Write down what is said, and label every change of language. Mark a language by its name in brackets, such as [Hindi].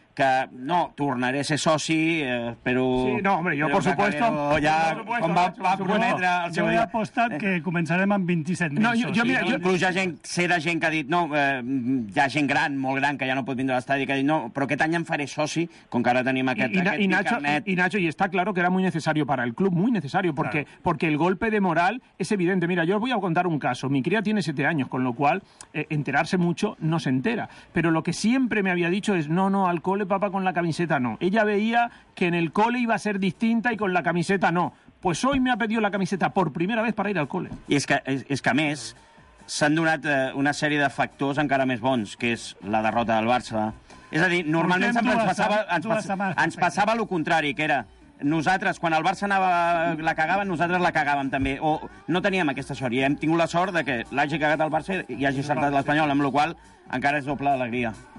[Catalan] que no, tornaré a ser soci, però... Sí, no, hombre, jo, per supuesto, com va prometre... Jo he apostat que començarem amb 27 no, mesos. Inclús hi ha gent, sé de gent que ha dit, no, hi ha gent gran, molt gran, que ja no pot vindre a l'estadi, que ha dit, no, però aquest any em faré soci, com que ara tenim aquest picarnet. [Spanish] I Nacho, i està claro que era muy necesario para el club, muy necesario, porque, claro. Porque el golpe de moral es evidente. Mira, yo os voy a contar un caso. Mi cría tiene 7 años, con lo cual enterarse mucho no se entera. Pero lo que siempre me había dicho es, no, no, al cole, papá, con la camiseta no. Ella veía que en el cole iba a ser distinta y con la camiseta no. Pues hoy me ha pedido la camiseta por primera vez para ir al cole. [Catalan] I és que a més, s'han donat una sèrie de factors encara més bons, que és la derrota del Barça. És a dir, normalment sempre ens passava el contrari, que era... Nosaltres, quan el Barça anava, la cagava, nosaltres la cagàvem també. O no teníem aquesta sort. I hem tingut la sort de que l'hagi cagat el Barça i hagi acertat l'Espanyol, amb la qual encara és doble d'alegria.